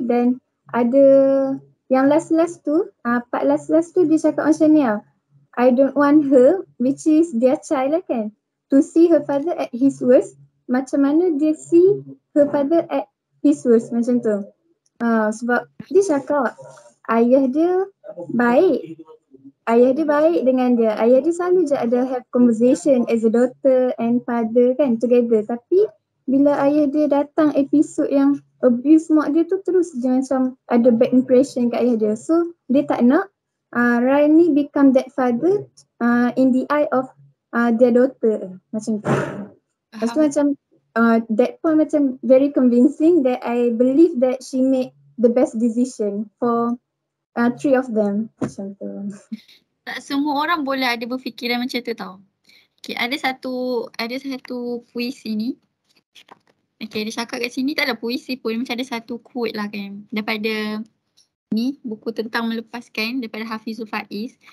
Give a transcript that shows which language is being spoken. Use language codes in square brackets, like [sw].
[en] Then [ms] ada yang [en] last-last tu, part last-last [ms] tu dia cakap macam ni lah, [en] I don't want her, which is their child [ms] lah kan, [en] to see her father at his worst. [ms] Macam mana dia [en] see her father at his worst [ms] macam tu. Sebab dia cakap ayah dia baik dengan dia. Ayah dia selalu je ada [en] have conversation as a daughter and father [ms] kan [en] together. [ms] Tapi bila ayah dia datang episod yang abuse mak dia tu, terus je macam ada [en] bad impression [ms] kat ayah dia. [en] So [ms] dia tak nak [en] Ryan ni become that father in the eye of their daughter [ms] macam tu. Lepas tu macam [en] that point [ms] macam [en] very convincing that I believe that she made the best decision for three of them. [ms] Macam tu. Tak semua orang boleh ada berfikiran macam tu tau. Okay, ada satu puisi ni. Okay, dia cakap kat sini tak ada puisi pun. Macam ada satu quote lah kan. Daripada ni, buku tentang melepaskan daripada Hafizul Faiz.